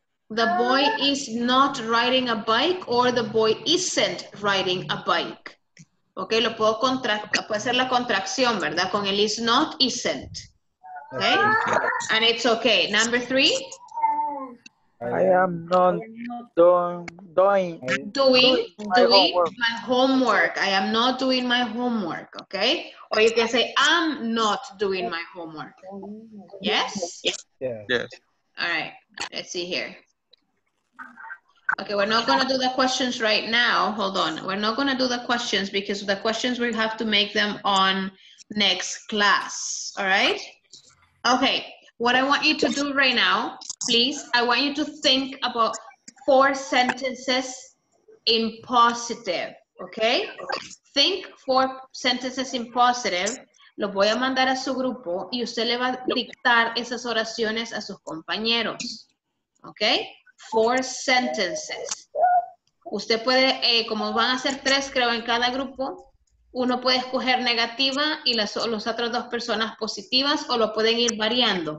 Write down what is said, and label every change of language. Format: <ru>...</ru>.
<en>The boy is not riding a bike, or the boy isn't riding a bike.</en> <es>Okay, lo puedo contractar, puede ser la contracción, ¿verdad? Con el</es> <en>is not, isn't. Okay, and it's okay. Number three. I am not doing. Doing my homework. I am not doing my homework. Okay, or you can say I'm not doing my homework. Yes? Yes. All right, let's see here. Okay, we're not going to do the questions right now. Hold on. We're not going to do the questions because the questions we have to make them on next class. All right? Okay, what I want you to do right now, please, I want you to think about four sentences in positive. Okay? Think four sentences in positive.</en> <es>Lo voy a mandar a su grupo y usted le va a dictar esas oraciones a sus compañeros. Okay?</es> <en>Four sentences.</en> <es>Usted puede, como van a ser tres, creo, en cada grupo, uno puede escoger negativa y las otras dos personas positivas, o lo pueden ir variando.</es>